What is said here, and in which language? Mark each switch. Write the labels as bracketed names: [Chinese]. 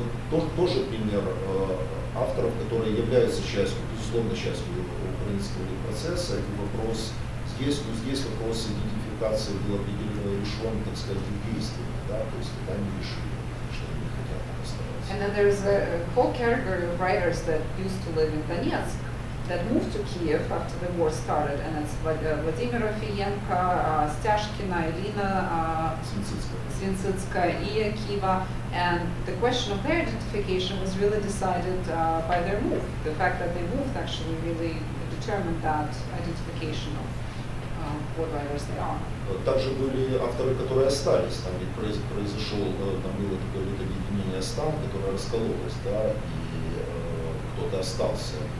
[Russian] Вот тоже пример авторов, которые являются частью, безусловно, частью украинского процесса. И вопрос здесь, ну, здесь вопрос идентификации был определен и решен, так сказать, действиями, да, то есть когда они решили, что они хотят там оставаться. [English] And then there's a whole category of writers that used to live in Donetsk that moved to Kiev after the war started, and it's Vladimir Ofienko, Stashkina, Elina, Svinsitskaya, Ia Kiva, and the question of their identification was really decided by their move. The fact that they moved actually really determined that identification of what writers they are. [Russian] Также были авторы, которые остались, там произошел, там было какое-то объединение стран, которое раскололось, да, и кто-то остался.